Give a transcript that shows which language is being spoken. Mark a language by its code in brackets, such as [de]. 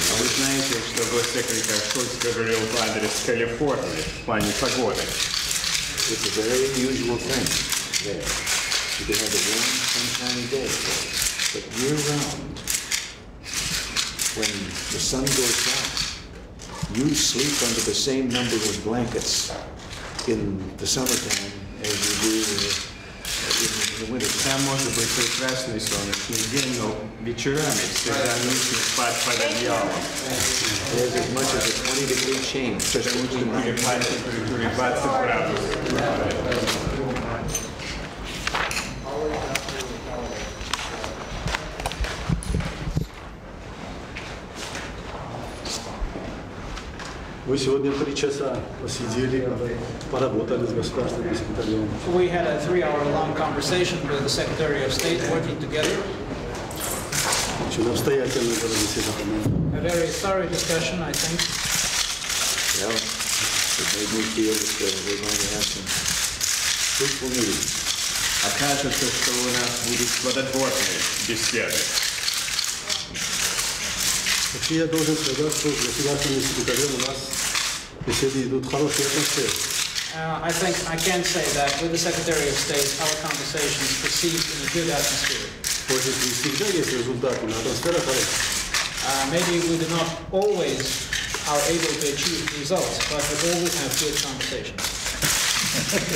[ru] Вы знаете, что госсекретарь Шульц говорил в адрес Калифорнии в плане погоды. [en] It's a very unusual thing there. You can have a warm, sunshiny day, but year-round, when the sun goes down, you sleep under the same number of blankets in the summertime as you do in the winter. [ru] Там может быть прекрасный солнечный день, но вечерами всегда нужно спать под одеялом. [en] There's as much as a 20-degree change just in the night. [ru] Вы сегодня 3 часа посидели, поработали с государственным секретарем. [en] We had a 3-hour-long conversation with the Secretary of State working together. [ru] Очень обстоятельная была беседа, по-моему. [en] A very thorough discussion, I think. Yeah, it made me feel that we might have some fruitful meetings. [ru] Окажется, что у нас будут плодотворные беседы. Вообще, я должен сказать, что с государственным секретарем у нас беседы идут хорошие атмосферы. [en] I think I can say that with the Secretary of State, our conversations proceed in a good atmosphere. [ru] Может быть, всегда есть результаты, но атмосфера хорошая. [en] Maybe we do not always are able to achieve results, but we always have good conversations.